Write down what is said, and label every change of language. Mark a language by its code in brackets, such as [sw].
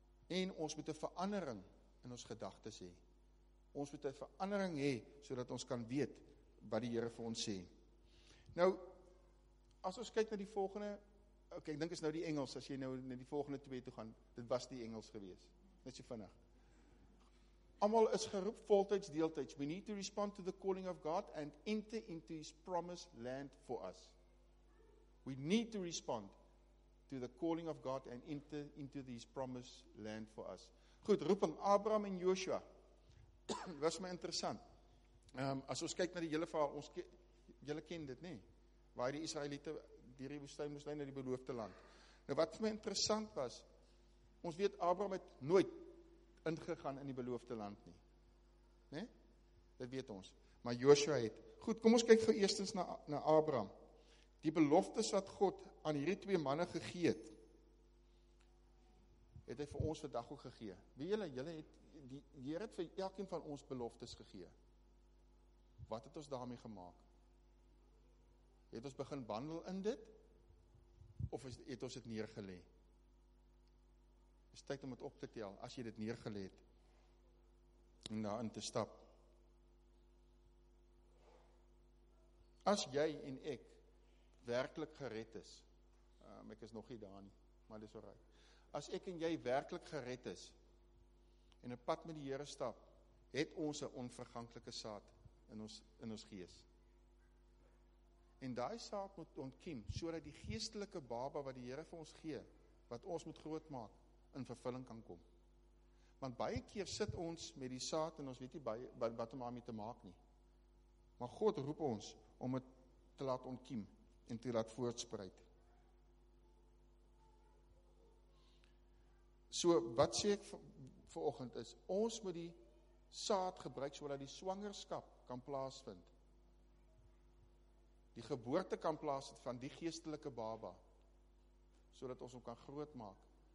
[af] En ons moet 'n verandering in ons gedagtes hê. Ons moet 'n verandering hê, sodat ons kan weet wat die Here vir ons sê. Nou, as ons kyk na die volgende, ok, ek dink is nou die Engels, as jy nou na die volgende twee toe gaan, dit was die Engels gewees. Net so vinnig. Almal is geroep voltyds, deeltyds. [en] We need to respond to the calling of God and enter into his promised land for us. We need to respond to the calling of God and enter into his promised land for us. [af] Goed, roeping Abraham en Joshua. Was my interessant. As ons kyk na die hele verhaal, ons julle ken dit nie, waar die Israeliete deur die woestyn moes lei na die beloofde land. Nou wat vir my interessant was, ons weet Abraham het nooit ingegaan in die beloofde land nie. Né? Dit weet ons. Maar Joshua het. Goed, kom ons kyk vir eerstens na Abraham. Die beloftes wat God aan hierdie twee manne gegee het, het hy vir ons vandag ook gegee. Wie julle het, die Heer het vir elkeen van ons beloftes gegee. Wat het ons daarmee gemaak? Het ons begin wandel in dit? Of het ons dit neergelê? Is tyd om dit op te tel, as jy dit neergelê het, en daarin te stap. As jy en ek werklik gered is, ek is nog nie daar nie, maar dit is alright. As ek en jy werklik gered is, en een pad met die Here stap, het ons een onverganklike saad in ons gees. En die saad moet ontkiem, so dat die geestelike baba wat die Here vir ons gee, wat ons moet grootmaak, in vervulling kan kom. Want baie keer sit ons met die saad, en ons weet nie wat om daarmee te maak nie. Maar God roep ons, om het te laat ontkiem, en te laat voortspruit. So, wat sê ek vanoggend is, ons moet die saad gebruik, sodat die swangerskap kan plaasvind. Die geboorte kan plaasvind van die geestelike baba, sodat ons hom kan grootmaak.